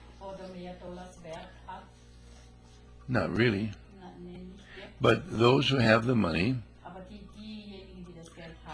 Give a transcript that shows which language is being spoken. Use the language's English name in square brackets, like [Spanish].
[German] oder mehr Dollars wert hat? [English] Not really. But those who have the money, [German] aber diejenigen, die das Geld haben,